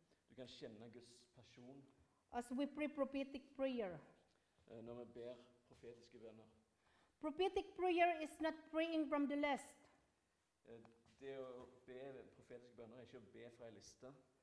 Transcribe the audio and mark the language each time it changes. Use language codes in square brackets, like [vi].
[sv] Du kan känna Guds passion. [en] As we pray prophetic prayer. [sv] När vi ber profetiska böner. [en] Prophetic prayer is not praying from the list. [sv] Det att be profetiska böner är inte att be från listan.